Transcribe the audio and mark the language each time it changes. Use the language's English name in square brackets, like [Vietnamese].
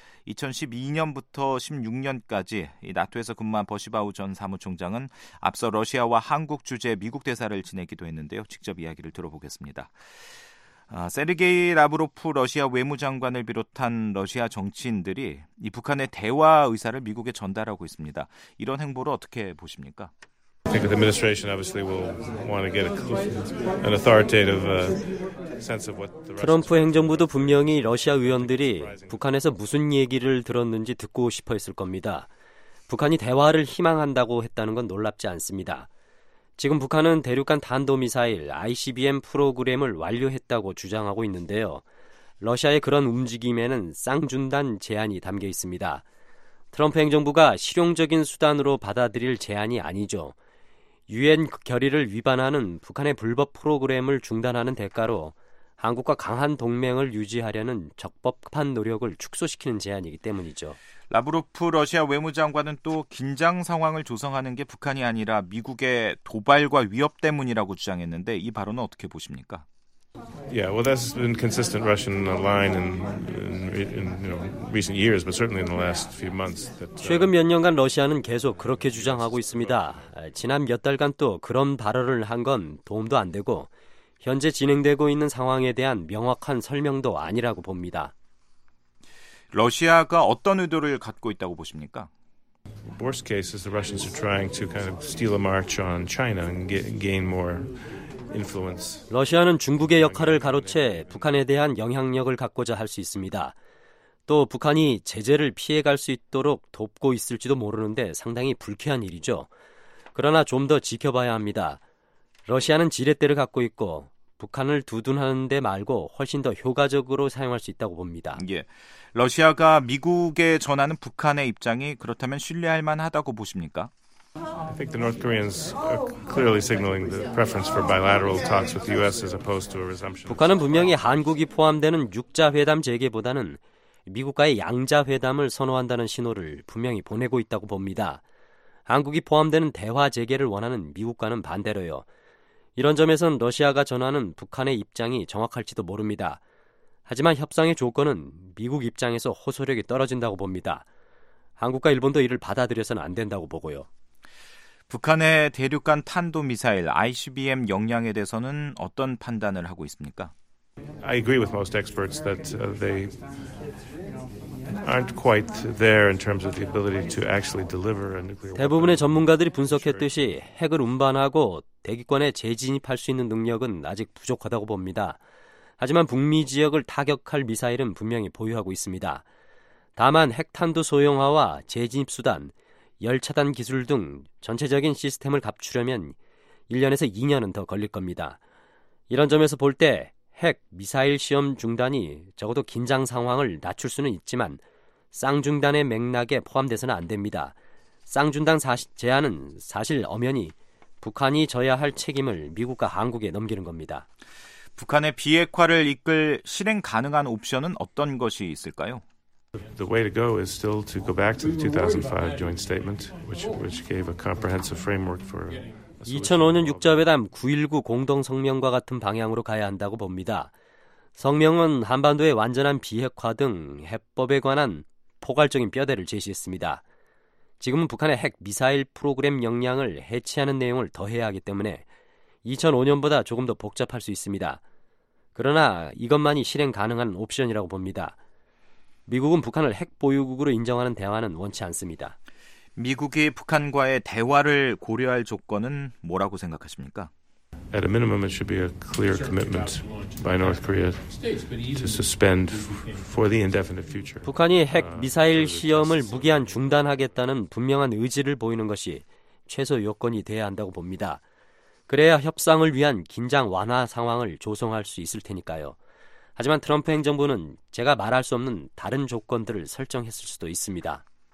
[Korean] 2012년부터 16년까지 이 나토에서 근무한 버시바우 전 사무총장은 앞서 러시아와 한국 주재 미국 대사를 지내기도 했는데요. 직접 이야기를 들어보겠습니다. 세르게이 라브로프 러시아 외무장관을 비롯한 러시아 정치인들이 이 북한의 대화 의사를 미국에 전달하고 있습니다. 이런 행보를 어떻게 보십니까? [English] I think the administration obviously will want to get an authoritative sense of what the [Korean] 트럼프 행정부도 분명히 러시아 위원들이 북한에서 무슨 얘기를 들었는지 듣고 싶어 했을 겁니다. 북한이 대화를 희망한다고 했다는 건 놀랍지 않습니다. 지금 북한은 대륙간 탄도미사일 ICBM 프로그램을 완료했다고 주장하고 있는데요. 러시아의 그런 움직임에는 쌍중단 제안이 담겨 있습니다. 트럼프 행정부가 실용적인 수단으로 받아들일 제안이 아니죠. 유엔 결의를 위반하는 북한의 불법 프로그램을 중단하는 대가로 한국과 강한 동맹을 유지하려는 적법한 노력을 축소시키는 제안이기 때문이죠. 라브로프 러시아 외무장관은 또 긴장 상황을 조성하는 게 북한이 아니라 미국의 도발과 위협 때문이라고 주장했는데 이 발언은 어떻게 보십니까? [English] Yeah, well, that's been consistent Russian line in you know, recent years, but certainly in the last few months. [Korean] 최근 몇 년간 러시아는 계속 그렇게 주장하고 있습니다. 지난 몇 달간 또 그런 발언을 한 건 도움도 안 되고 현재 진행되고 있는 상황에 대한 명확한 설명도 아니라고 봅니다. 러시아가 어떤 의도를 갖고 있다고 보십니까? [English] Worst case is the Russians are trying to kind of steal a march on China and gain more. [Korean] 러시아는 중국의 역할을 가로채 북한에 대한 영향력을 갖고자 할 수 있습니다. 또 북한이 제재를 피해갈 수 있도록 돕고 있을지도 모르는데 상당히 불쾌한 일이죠. 그러나 좀 더 지켜봐야 합니다. 러시아는 지렛대를 갖고 있고 북한을 두둔하는 데 말고 훨씬 더 효과적으로 사용할 수 있다고 봅니다. 예, 러시아가 미국에 전하는 북한의 입장이 그렇다면 신뢰할 만하다고 보십니까? [English] I think the North Koreans are clearly signaling the preference for bilateral talks with the U.S. as opposed to a resumption. [Korean] 북한은 분명히 한국이 포함되는 6자 회담 재개보다는 미국과의 양자 회담을 선호한다는 신호를 분명히 보내고 있다고 봅니다. 한국이 포함되는 대화 재개를 원하는 미국과는 반대로요. 이런 점에선 러시아가 전하는 북한의 입장이 정확할지도 모릅니다. 하지만 협상의 조건은 미국 입장에서 호소력이 떨어진다고 봅니다. 한국과 일본도 이를 받아들여서는 안 된다고 보고요. 북한의 대륙간 탄도미사일 ICBM 역량에 대해서는 어떤 판단을 하고 있습니까? [English] I agree with most experts that they aren't quite there in terms of the ability to actually deliver a nuclear. [Korean] 대부분의 전문가들이 분석했듯이 핵을 운반하고 대기권에 재진입할 수 있는 능력은 아직 부족하다고 봅니다. 하지만 북미 지역을 타격할 미사일은 분명히 보유하고 있습니다. 다만 핵탄두 소형화와 재진입 수단, 열차단 기술 등 전체적인 시스템을 갖추려면 1년에서 2년은 더 걸릴 겁니다. 이런 점에서 볼 때 핵 미사일 시험 중단이 적어도 긴장 상황을 낮출 수는 있지만 쌍중단의 맥락에 포함돼서는 안 됩니다. 쌍중단 제안은 사실 엄연히 북한이 져야 할 책임을 미국과 한국에 넘기는 겁니다. 북한의 비핵화를 이끌 실행 가능한 옵션은 어떤 것이 있을까요? [English] The way to go is still to go back to the 2005 joint statement, which gave a comprehensive framework for. [Korean] 2005년 6자회담 9.19 공동 성명과 같은 방향으로 가야 한다고 봅니다. 성명은 한반도의 완전한 비핵화 등 해법에 관한 포괄적인 뼈대를 제시했습니다. 지금은 북한의 핵 미사일 프로그램 역량을 해체하는 내용을 더해야 하기 때문에 2005년보다 조금 더 복잡할 수 있습니다. 그러나 이것만이 실행 가능한 옵션이라고 봅니다. 미국은 북한을 핵 보유국으로 인정하는 대화는 원치 않습니다. 미국이 북한과의 대화를 고려할 조건은 뭐라고 생각하십니까? [English] At a minimum, it should be a clear commitment by North Korea to suspend for the indefinite future. [Korean] 북한이 핵 미사일 시험을 무기한 중단하겠다는 분명한 의지를 보이는 것이 최소 요건이 돼야 한다고 봅니다. 그래야 협상을 위한 긴장 완화 상황을 조성할 수 있을 테니까요. 하지만 트럼프 행정부는 제가 말할 수 없는 다른 조건들을 설정했을 수도 있습니다.